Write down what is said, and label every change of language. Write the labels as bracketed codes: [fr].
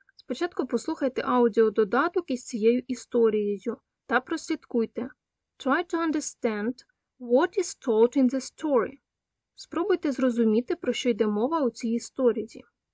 [uk] Спочатку послухайте аудіододаток із цією історією та прослідкуйте. [en] Try to understand what is taught in the story. [uk] Спробуйте зрозуміти, про що йде мова у цій історії.